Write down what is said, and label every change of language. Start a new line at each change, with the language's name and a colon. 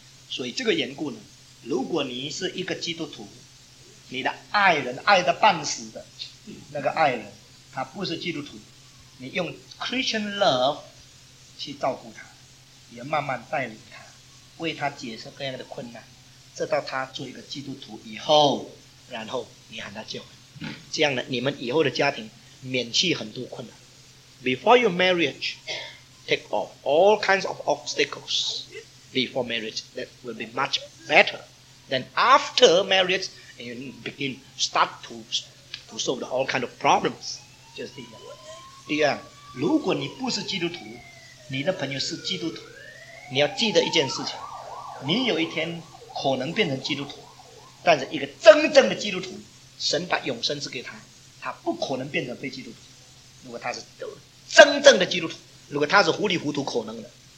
Chinese: 所以这个缘故呢，如果你是一个基督徒，你的爱人爱得半死的那个爱人，他不是基督徒，你用 Christian love 去照顾他，也慢慢带领他，为他解释各样的困难，直到他做一个基督徒以后，然后你喊他结婚，这样呢你们以后的家庭免去很多困难。
English: Before your marriage take off all kinds of obstacles before marriage, that will be much better than after marriageand begin start to solve all kind of problems，
Chinese: 就是第一。第二，如果你不是基督徒，你的朋友是基督徒，你要记得一件事情，你有一天可能变成基督徒，但是一个真正的基督徒，神把永生赐给他，他不可能变成非基督徒。如果他是真正的基督徒，如果他是糊里糊涂可能的。